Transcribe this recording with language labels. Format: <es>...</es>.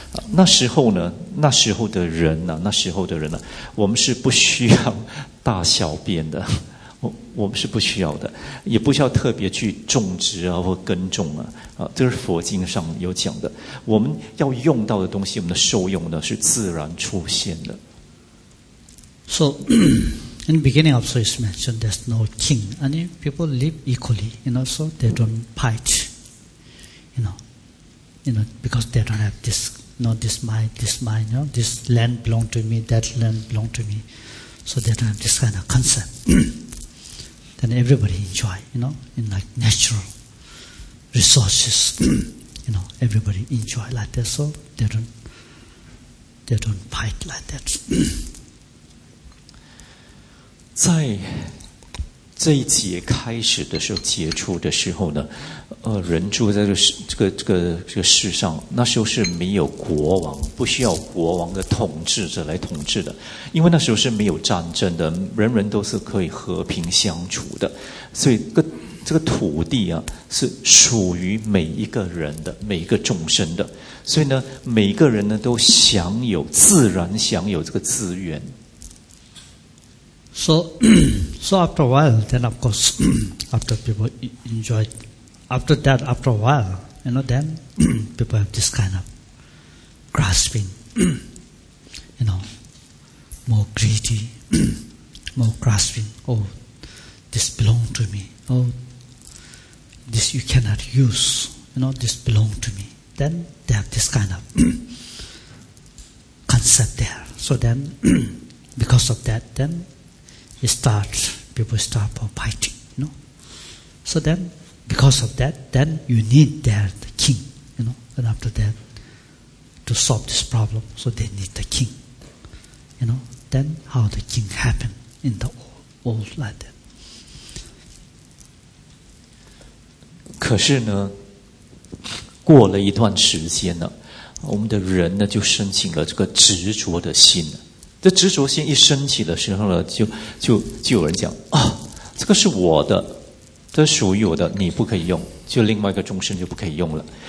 <zh>那时候呢，那时候的人呢、啊，那时候的人呢、啊，我们是不需要大小便的，我们是不需要的，也不需要特别去种植啊或耕种啊，这是佛经上有讲的。我们要用到的东西，我们的受用呢是自然出现的。</zh> <en>So in the beginning also is mentioned there's no king, and people live equally, you know, so they don't fight, you know, because they don't have this. Not this mine, this mine, you know, this land belong to me, that land belong to me. So they don't have this kind of concept. Then everybody enjoy, you know, in like natural resources, you know, everybody enjoy like that. So they don't fight like that. 在这一节开始的时候，接触的时候呢，人住在这个世上，那时候是没有国王，不需要国王的统治者来统治的，因为那时候是没有战争的，人人都是可以和平相处的，所以这个土地啊是属于每一个人的，每一个众生的，所以呢，每一个人呢都享有自然享有这个资源。 So after a while, then of course, after people enjoy, after that, after a while, you know, then people have this kind of grasping, you know, more greedy, more grasping, oh, this belong to me, oh, this you cannot use, you know, this belong to me. Then they have this kind of concept there. So then, because of that, then,People start for fighting, you know. So then, because of that, then you need there the king, you know. And after that, to solve this problem, so they need the king, you know. Then how the king happened in the old like that.</en> <zh>可是呢，过了一段时间呢，我们的人呢就申请了这个执着的心了。这执着心一升起的时候呢，就有人讲啊、哦，这个是我的，这属于我的，你不可以用，就另外一个众生就不可以用了。</zh>